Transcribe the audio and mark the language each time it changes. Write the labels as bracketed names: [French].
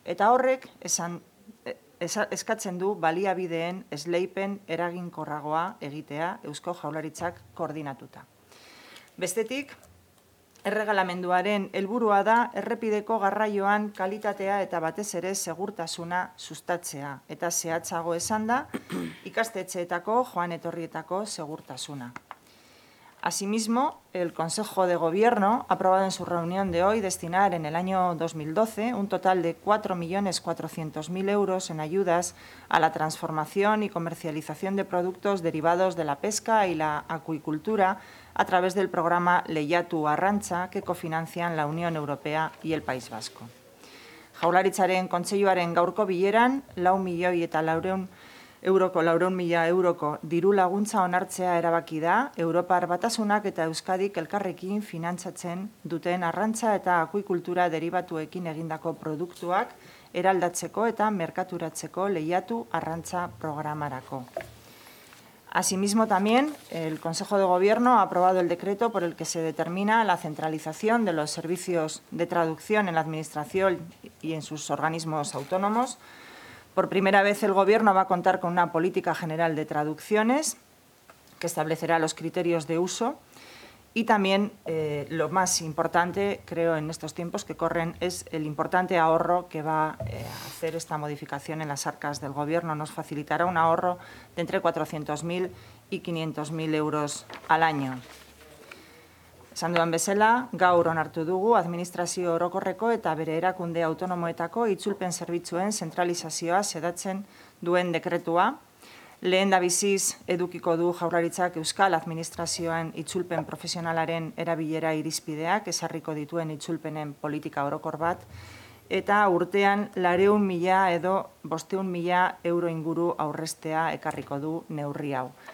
[Basque] Eta horrek eskatzen du baliabideen esleipen eraginkorragoa egitea Eusko Jaurlaritzak koordinatuta. Bestetik, erregalamenduaren helburua da errepideko garraioan kalitatea eta batez ere segurtasuna sustatzea, eta zehatzago esan da ikastetxeetako joan etorrietako segurtasuna. [Spanish] Asimismo, el Consejo de Gobierno ha aprobado en su reunión de hoy destinar en el año 2012 un total de 4.400.000 euros en ayudas a la transformación y comercialización de productos derivados de la pesca y la acuicultura a través del programa Lehiatu Arrantza, que cofinancian la Unión Europea y el País Vasco. [Basque] Jaurlaritzaren Kontseiluaren gaurko bileran, 4.400.000 euroko diru laguntza onartzea erabaki da Europar Batasunak eta Euskadik elkarrekin finantzatzen duten arrantza eta akuikultura deribatuekin egindako produktuak eraldatzeko eta merkaturatzeko Lehiatu Arrantza programarako. [Spanish] Asimismo, también el Consejo de Gobierno ha aprobado el decreto por el que se determina la centralización de los servicios de traducción en la administración y en sus organismos autónomos. Por primera vez, el Gobierno va a contar con una política general de traducciones que establecerá los criterios de uso y también lo más importante, creo, en estos tiempos que corren, es el importante ahorro que va a hacer esta modificación en las arcas del Gobierno. Nos facilitará un ahorro de entre 400.000 y 500.000 euros al año. [Basque] Esan duan bezala, gaur onartu dugu administrazio orokorreko eta bere erakunde autonomoetako itzulpen zerbitzuen zentralizazioa sedatzen duen dekretua. Lehendabiziz edukiko du Jaurlaritzak Euskal Administrazioan itzulpen profesionalaren erabilera irizpideak ezarriko dituen itzulpenen politika orokor bat, eta urtean 400.000 edo 500.000 euro inguru aurreztea ekarriko du neurri hau.